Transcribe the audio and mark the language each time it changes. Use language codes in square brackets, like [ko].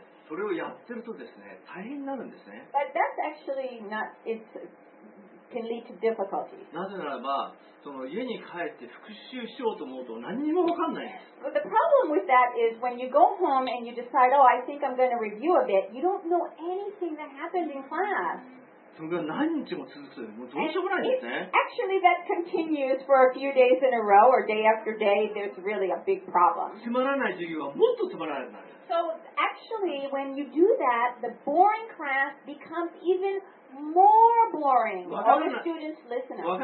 [ja] それをやってるとですね、大変になるんですね。 [en] But that's actually not, it can lead to difficulties. [ja] なぜならば、その家に帰って復習しようと思うと何にも分かんないんです。 [en] But the problem with that is when you go home and you decide, oh, I think I'm going to review a bit, you don't know anything that happened in class. [ja] それが何日も続く、もうどうしようもないんですね。 [en] Actually, that continues for a few days in a row or day after day, there's really a big problem. [ja] つまらない授業はもっとつまらなくなる。 [en] So actually, when you do that, the boring class becomes even more boring for the students listening.